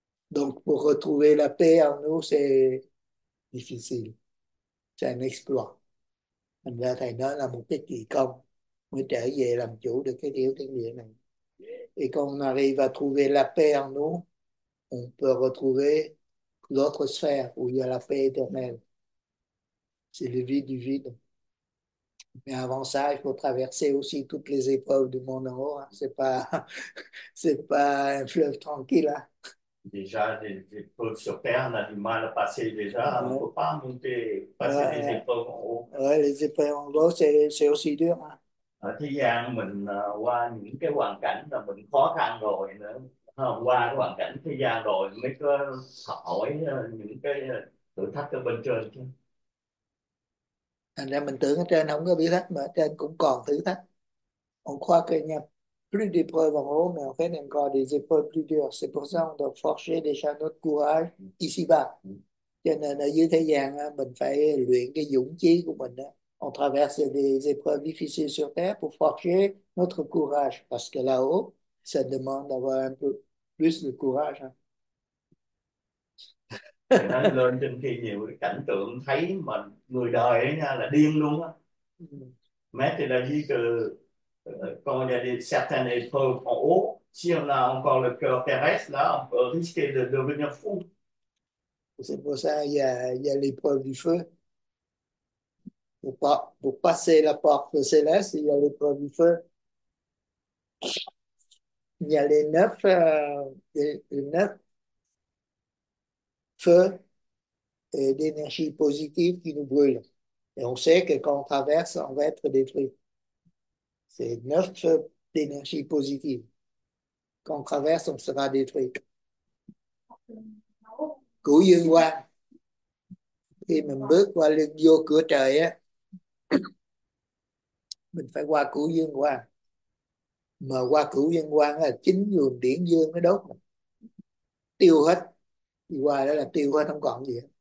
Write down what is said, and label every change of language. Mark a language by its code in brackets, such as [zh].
[fr] Donc, pour retrouver la paix en nous, c'est difficile. C'est un exploit. [vi] Mình ra thầy nói là một cái kỳ công mới trở về làm chủ được cái tiểu thiên địa này. [fr] Et quand on arrive à trouver la paix en nous, on peut retrouver l'autre sphère où il y a la paix éternelle. C'est le vide du vide. Mais avant ça, il faut traverser aussi toutes les épreuves du monde en haut. C'est pas un fleuve tranquille. Déjà, des épreuves sur terre, on a du mal à passer déjà. On ne peut pas monter, passer des épreuves en haut. Les épreuves en haut, c'est aussi dur. Hein. [vi] Ở thế gian, mình qua những cái hoàn cảnh là mình khó khăn rồi nữa. Qua cái hoàn cảnh thế gian rồi mới có học hỏi những cái thử thách ở bên trên chứ. Thành ra mình tưởng ở trên không có bị thách mà ở trên cũng còn thử thách. [fr] On croit qu'il n'y a plus d'épreuves en haut, mais en fait, il y a encore des épreuves plus dures. C'est pour ça qu'on doit forger déjà notre courage ici-bas. [vi] Cho nên ở dưới thế gian, mình phải luyện cái dũng chí của mình. [fr] On traverse des épreuves difficiles sur Terre pour forger notre courage. Parce que là-haut, ça demande d'avoir un peu plus de courage. [vi] Thầy nói lên trên kia nhiều cái cảnh tượng thấy mà người đời ấy nha là điên luôn á. Mẹ thì là di từ con nhà đi Saturn Earth ổ siêu là ông còn là cơ Paris đó ở thế kia được được bên nhà phu. [fr] C'est pour ça il y a l'épreuve du feu. Pour passer la porte céleste, il y a l'épreuve du feu. Il y a les neuf feux d'énergie positive qui nous brûlent. Et on sait que quand on traverse, on va être détruit. C'est neuf feux d'énergie positive. Quand on traverse, on sera détruit. Guyenwa. [vi] Khi mình bước qua lưng vô cửa trời á, mình phải qua cửu dương quang. Mà qua cửu dương quang là chính luồng điển dương nó đốt mình. Tiêu hết. Đi qua đó là tiêu hết, không còn gì hết.